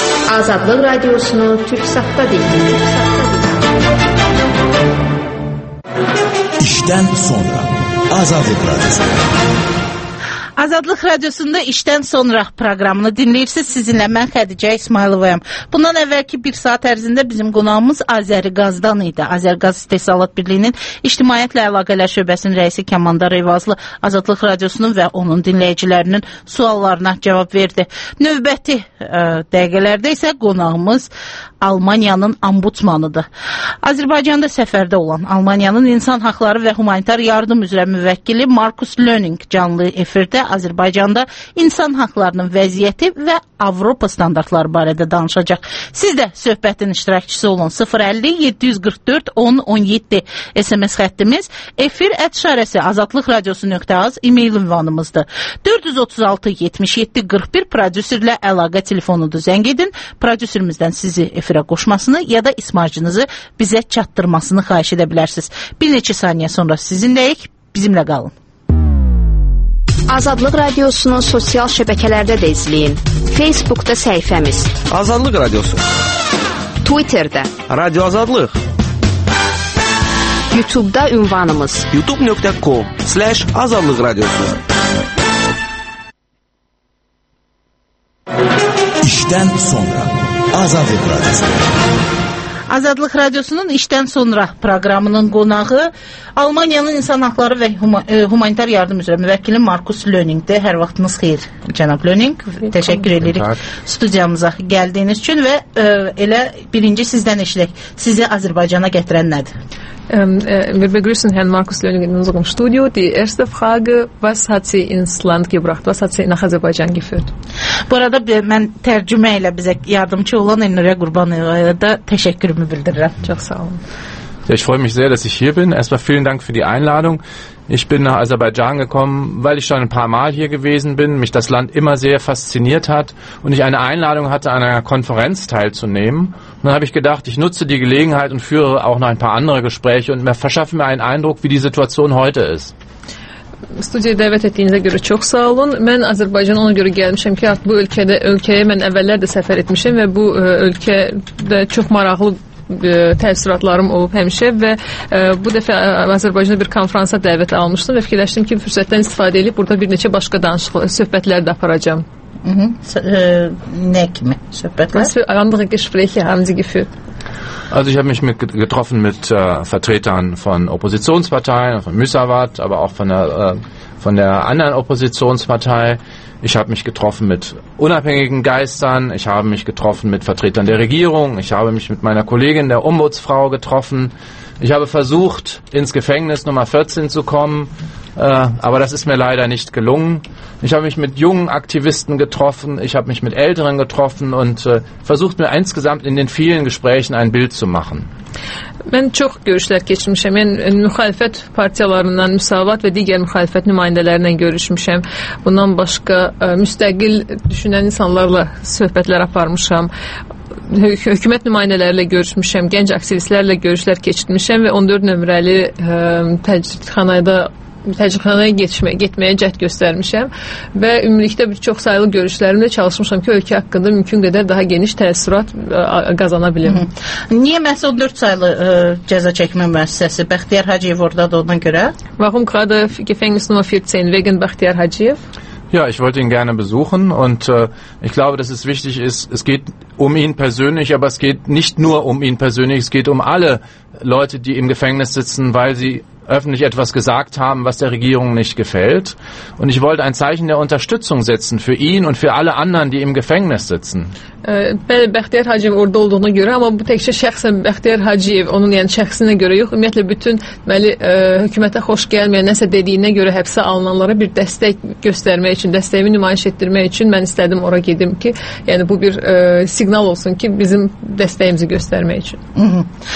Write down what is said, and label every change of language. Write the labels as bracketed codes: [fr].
[tr] Azadlık Radyosu'nu TürkSat'ta dinleyin. İşten sonra Azadlık Radyosu. [az] Azadlık Radyosu'nda İşten Sonra programını dinleyirsiniz. Sizinle ben Xədicə İsmailovayam. Bundan evvelki bir saat ərzində bizim qonağımız Azərqazdan idi. Azərqaz İstehsalat Birliyinin İctimaiyyətlə Əlaqələr Şöbəsinin rəisi Kəmandar Eyvazlı Azadlık Radyosu'nun və onun dinləyicilərinin suallarına cevap verdi. Növbəti dəqiqələrdə isə qonağımız Almanya'nın ambutmanıdır. Azərbaycanda səfərdə olan Almanya'nın insan haqları və humanitar yardım üzrə müvəkkili Markus Löning canlı efirdə Azərbaycanda insan haqlarının vəziyyəti və Avropa standartları barədə danışacaq. Siz də söhbətin iştirakçısı olun. 050-744-10-17 SMS xəttimiz, efir@azadlikradiosu.az e-mail ünvanımızdır. 436-77-41 prodüserlə əlaqə telefonudur. Zəng edin, prodüserimizdən sizi efirə qoşmasını ya da ismacınızı bizə çatdırmasını xahiş edə bilərsiniz. Bir neçə saniyə sonra sizinləyik, bizimlə qalın. [tr] Azadlık Radyosu'nu sosyal şebekelerde de izleyin. Facebook'ta sayfamız. Azadlık Radyosu. Twitter'da. Radyo Azadlık. [az] YouTube'da ünvanımız. youtube.com/azadlikradyosu. [tr] İşten sonra Azadlık Radyosu. [az] Azadlık Radyosu'nun İşten Sonra programının qonağı Almanya'nın insan hakları ve humanitar yardım üzrə müvəkkili Markus Löning'dir. Hər vaxtınız xeyir, cənab Löning. Təşəkkür edirik studiyamıza gəldiyiniz üçün və elə birinci sizdən eşidək. Sizi Azərbaycana gətirən nədir? [de] Wir begrüßen Herrn Markus Löning in unserem Studio. Die erste Frage, was hat Sie ins Land gebracht? Was hat Sie nach Azerbaijan geführt? [az] Bu arada mən tərcümə ilə bizə yardımcı olan Elnurə Qurbanova da təşəkkürümü bildirirəm. Çox sağ olun. [de] Ja, ich freue mich sehr, dass ich hier bin. Erstmal vielen Dank für die Einladung. Ich bin nach Aserbaidschan gekommen, weil ich schon ein paar Mal hier gewesen bin, mich das Land immer sehr fasziniert hat und ich eine Einladung hatte, an einer Konferenz teilzunehmen. Und dann habe ich gedacht, ich nutze die Gelegenheit und führe auch noch ein paar andere Gespräche und verschaffe mir einen Eindruck, wie die Situation heute ist. [az] Studiyaya dəvət etdiyinizə görə çox sağ olun. Mən Azərbaycana ona görə gəlmişəm ki, artıq bu ölkədə, ölkəyə mən əvvəllər də səfər etmişəm və bu ölkədə çox maraqlı təəssüratlarım olub həmişə və bu dəfə Azərbaycana bir konfransa dəvət almışdım və fikirləşdim ki, fürsətdən istifadə edib burada bir neçə başqa söhbətlər də aparacağam. Ne kimi söhbətlər? [de] Was für andere Gespräche haben Sie geführt? Also ich habe mich getroffen mit Vertretern von Oppositionsparteien, von Müsavat, aber auch von der anderen Oppositionspartei. Ich habe mich getroffen mit unabhängigen Geistern, ich habe mich getroffen mit Vertretern der Regierung, ich habe mich mit meiner Kollegin, der Ombudsfrau, getroffen. Ich habe versucht, ins Gefängnis Nummer 14 zu kommen, aber das ist mir leider nicht gelungen. Ich habe mich mit jungen Aktivisten getroffen, ich habe mich mit Älteren getroffen und versucht mir insgesamt in den vielen Gesprächen ein Bild zu machen. [az] Mən çox görüşlər keçmişəm. Mən müxalifət partiyalarından, müsavat və digər müxalifət nümayəndələrlə görüşmüşəm. Bundan başqa müstəqil düşünən insanlarla söhbətlər aparmışam. Hökumət nümayəndələrlə görüşmüşəm, gənc aktivistlərlə görüşlər keçirmişəm və 14 nömrəli təcridxanada təcrübəxanaya getməyə cəhd göstərmişəm və ümumilikdə bir çox saylı görüşlərimdə çalışmışam ki, ölkə haqqında mümkün qədər daha geniş təsirat qazana bilim. Niyə məhz 14 saylı cəza çəkmə müəssisəsi? Bəxtiyar Hacıyev oradadır ona görə? [de] Warum gerade Gefängnis Nummer 14 wegen Bəxtiyar Hacıyev? Ja, ich wollte ihn gerne besuchen und ich glaube, dass es wichtig ist, es geht um ihn persönlich, aber es geht nicht nur um ihn persönlich, es geht um alle Leute, die im Gefängnis sitzen, weil sie öffentlich etwas gesagt haben, was der Regierung nicht gefällt. Und ich wollte ein Zeichen der Unterstützung setzen für ihn und für alle anderen, die im Gefängnis sitzen. [az] Bəli, Bəxtiyar Hacıyev orada olduğuna görə, amma bu təkcə şəxsən Bəxtiyar Hacıyev, onun yəni şəxsinə görə yox, ümumiyyətlə bütün deməli, hökumətə xoş gəlməyən nəsə dediyinə görə həbsə alınanlara bir dəstək göstərmək üçün, dəstəyimi nümayiş etdirmək üçün mən istədim ora gedim ki, yəni bu bir siqnal olsun ki, bizim dəstəyimizi göstərmək üçün.